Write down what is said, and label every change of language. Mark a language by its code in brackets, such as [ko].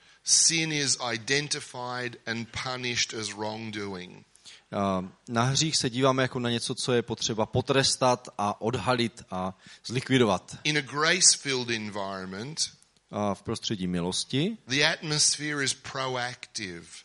[en] sin is identified and punished as wrongdoing. [cs] Na hřích se díváme jako na něco, co je potřeba potrestat a odhalit a zlikvidovat. [en] In a grace-filled environment, [cs] v prostředí milosti, [en] the atmosphere is proactive.